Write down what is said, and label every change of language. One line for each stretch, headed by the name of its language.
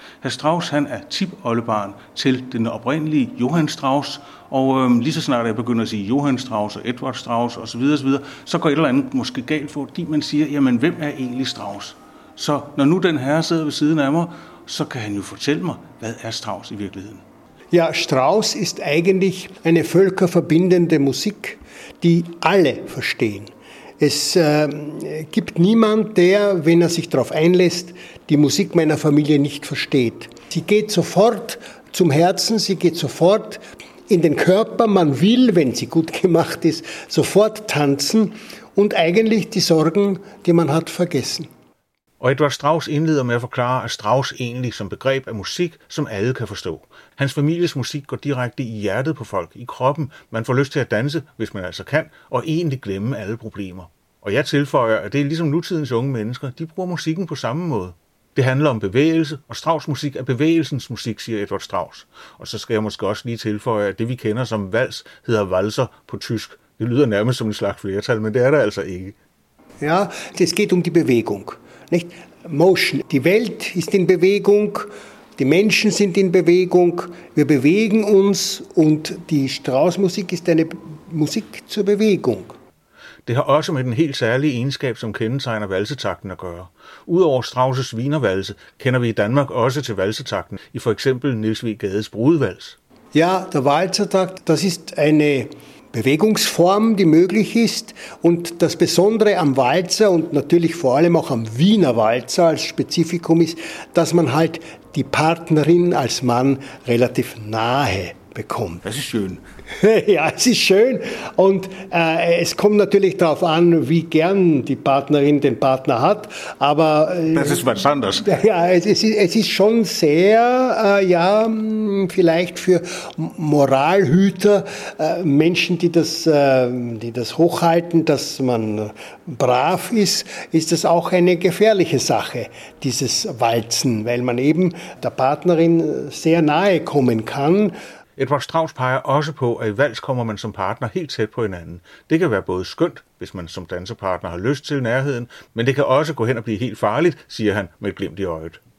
Danish: Herr Strauss, han er tipoldebarn til den oprindelige Johann Strauss, og lige så snart jeg begynder at sige Johann Strauss og Edward Strauss osv., osv., så går et eller andet måske galt, fordi man siger, jamen hvem er egentlig Strauss? Så når nu den herre sidder ved siden af mig, så kan han jo fortælle mig, hvad er Strauss i virkeligheden?
German: Ja, Strauss ist eigentlich eine völkerverbindende Musik, die alle verstehen. Es gibt niemand, der, wenn er sich darauf einlässt, die Musik meiner Familie nicht versteht. Sie geht sofort zum Herzen, sie geht sofort in den Körper. Man will, wenn sie gut gemacht ist, sofort tanzen und eigentlich die Sorgen, die man hat, vergessen.
Danish: Og Edward Strauss indleder med at forklare, at Strauss egentlig som begreb er musik, som alle kan forstå. Hans families musik går direkte i hjertet på folk, i kroppen. Man får lyst til at danse, hvis man altså kan, og egentlig glemme alle problemer. Og jeg tilføjer, at det er ligesom nutidens unge mennesker, de bruger musikken på samme måde. Det handler om bevægelse, og Strauss musik er bevægelsens musik, siger Edward Strauss. Og så skal jeg måske også lige tilføje, at det vi kender som vals hedder walzer på tysk. Det lyder nærmest som en slags flertal, men det er der altså ikke. Ja, det skete om de bevægung.
German: Nicht? Motion. Die Welt ist in Bewegung, die Menschen sind in Bewegung, wir bewegen uns und die Strauss-Musik ist eine Musik zur Bewegung.
Danish: Det har også med den helt særlige egenskab, som kendetegner valsetakten at gøre. Udover Strauss' Wienervalse kender vi i Danmark også til valsetakten, i for eksempel Niels W. Gades Brudevals.
German: Ja, der Walzertakt, das ist eine Bewegungsform, die möglich ist. Und das Besondere am Walzer und natürlich vor allem auch am Wiener Walzer als Spezifikum ist, dass man halt die Partnerin als Mann relativ nahe bekommt. Das ist schön. Ja, es ist schön. Und es kommt natürlich darauf an, wie gern die Partnerin den Partner hat. Aber das ist was anderes. Ja, es ist schon sehr, vielleicht für Moralhüter, Menschen, die das hochhalten, dass man brav ist, ist das auch eine gefährliche Sache, dieses Walzen, weil man eben der Partnerin sehr nahe kommen kann.
Danish: Edvard Strauss peger også på, at i vals kommer man som partner helt tæt på hinanden. Det kan være både skønt, hvis man som dansepartner har lyst til nærheden, men det kan også gå hen og blive helt farligt, siger han med et glimt i øjet.